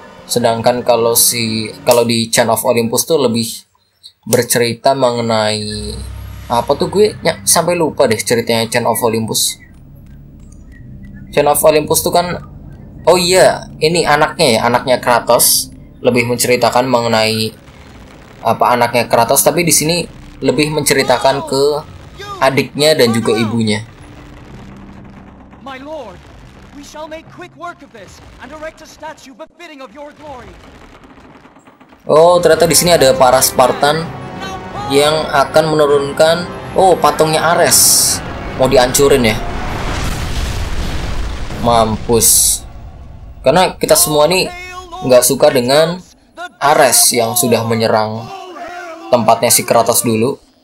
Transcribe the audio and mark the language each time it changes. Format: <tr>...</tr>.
<id>Sedangkan kalau di Chain of Olympus tuh lebih bercerita mengenai apa tuh, gue sampai lupa deh ceritanya Chain of Olympus. Chain of Olympus tuh kan, oh iya, ini anaknya ya, anaknya Kratos, lebih menceritakan mengenai apa anaknya Kratos, tapi di sini lebih menceritakan ke adiknya dan juga ibunya.</id> <en>My lord, we shall make quick work of this and erect a statue befitting of your glory.</en> <id>Oh, ternyata di sini ada para Spartan yang akan menurunkan, oh, patungnya Ares. Mau dihancurin ya. Mampus. Karena kita semua nih nggak suka dengan Ares yang sudah menyerang tempatnya si Kratos dulu.</id>